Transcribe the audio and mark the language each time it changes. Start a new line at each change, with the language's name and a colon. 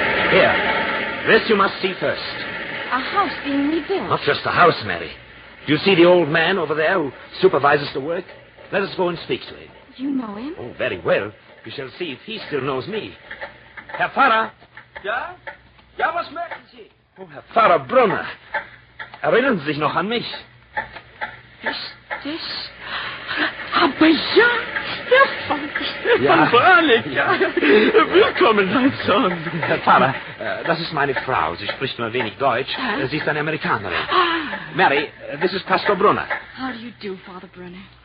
English: Here. This you must see first. A house being rebuilt. Not just a house, Mary. Do you see the old man over there who supervises the work? Let us go and speak to him. You know him? Oh, very well. We shall see if he still knows me.
German: Herr Pfarrer? Ja? Ja, was möchten Sie? Oh, Herr Pfarrer Brunner. Erinnern Sie sich noch an mich? Ist das... Aber ja, Stefan ja. Brannock. Ja. Willkommen, mein Sohn. Herr Pfarrer, das ist meine Frau. Sie spricht nur wenig Deutsch. Sie ist eine Amerikanerin.
English: Mary, this is Pastor Brunner. How do you do, Father Brunner?